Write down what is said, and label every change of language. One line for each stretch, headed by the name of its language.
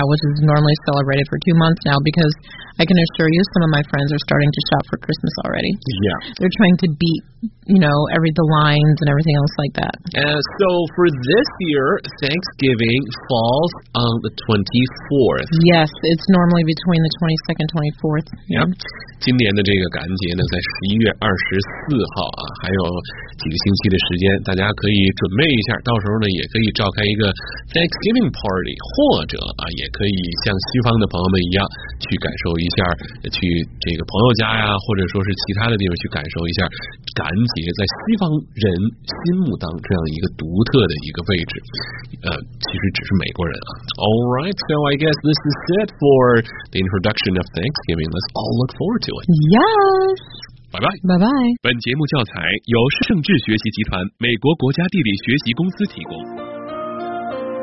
English: Yeah, which is normally celebrated for 2 months now, because I can assure you some of my friends are starting to shop for Christmas already. Yeah. They're trying to beat, you know, the lines and everything else like that. So for this year, Thanksgiving falls on the 24th. Yes, it's normally between the 22nd and 24th. Yeah.
Chinese: 今年的这个感觉呢在11月24号啊，还有几个星期的时间，大家可以准备一下，到时候呢也可以召开一个 Thanksgiving party， 或者啊也可以像西方的朋友们一样去感受一下，去这个朋友家呀，或者说是其他的地方去感受一下感觉在西方人心目当这样一个独特的一个位置，其实只是美国人啊。
English: All right, so I guess this is it for the introduction of Thanksgiving. Let's all look forward to it. Yes.
Chinese: 拜拜拜拜。本节目教材由盛智学习集团美国国家地理学习公司提供。